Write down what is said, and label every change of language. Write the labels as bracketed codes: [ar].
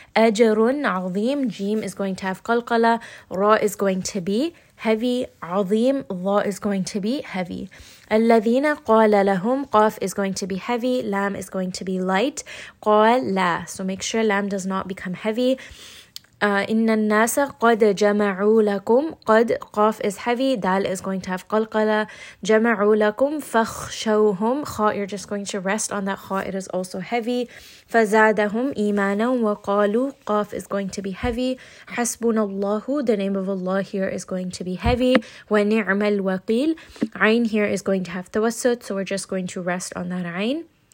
[ar] أَجْرٌ عَظِيم [en] جِيم is going to have قَلْقَلَة. رَا is going to be heavy. عَظِيم ظَا is going to be heavy. [ar] الَّذِينَ قَالَ لَهُمْ [en] قَافْ is going to be heavy. لَام is going to be light. قَالَ so make sure لَام does not become heavy. [ar] إِنَّ النَّاسَ قَدْ جَمَعُوا لَكُمْ قَدْ قَافْ [en] is heavy. دَال is going to have قَلْقَلَة. [ar] جَمَعُوا لَكُمْ فَخْشَوْهُمْ [en] خَا you're just going to rest on that خَا it is also heavy. [ar] فَزَادَهُمْ إِيمَانًا وَقَالُوا [en] قَافْ is going to be heavy. [ar] حَسْبُنَ اللَّهُ [en] the name of Allah here is going to be heavy. [ar] وَنِعْمَ الْوَقِيلُ [en] عَيْن here is going to have توسط so we're just going to rest on that عَيْن.